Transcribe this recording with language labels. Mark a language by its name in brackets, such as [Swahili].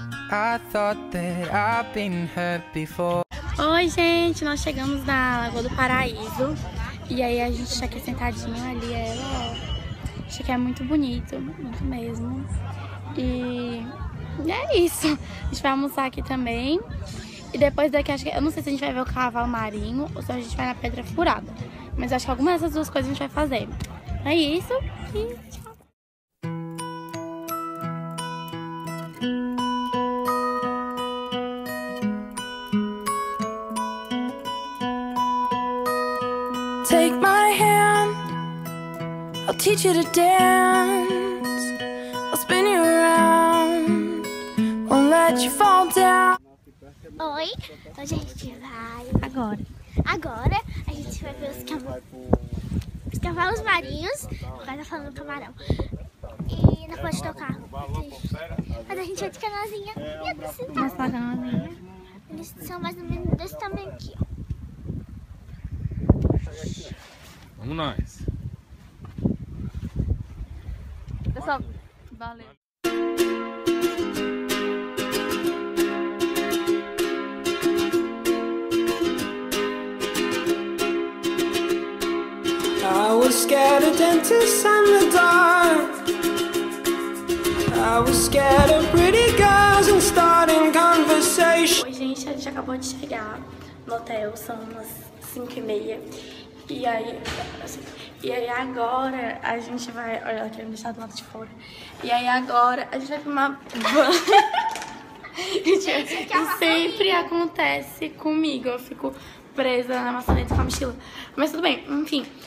[English] I thought that I've been hurt before. [Portuguese] Oi, gente, nós chegamos na Lagoa do Paraíso. E aí a gente tá aqui sentadinho ali, é, ó. Achei que é muito bonito, muito mesmo. E é isso. A gente vai almoçar aqui também. E depois daqui, acho que, eu não sei se a gente vai ver o cavalo marinho ou se a gente vai na Pedra Furada. Mas acho que alguma dessas duas coisas a gente vai fazer. É isso. E tchau. [English] Take my hand, I'll teach you to dance. I'll spin you around, won't let you fall down. [Portuguese] Oi, hoje a gente vai... Agora. Agora a gente vai ver os cavalos marinhos. O cara tá falando do camarão. E na ponte do carro. Mas a gente vai de canozinha e a piscina. Nossa, canozinha. Eles são mais ou menos desse tamanho aqui, ó. Vamos nós. Pessoal, valeu. [English] I was scared of dentists and the dark. I was scared of pretty girls and starting conversation. [Portuguese] Oi, gente, a gente acabou de chegar no hotel, são umas 5:30. E aí agora a gente vai... Olha, ela quer me deixar do lado de fora. E aí agora a gente vai filmar van. E sempre acontece comigo. Eu fico presa na maçaneta com a mochila. Mas tudo bem, enfim.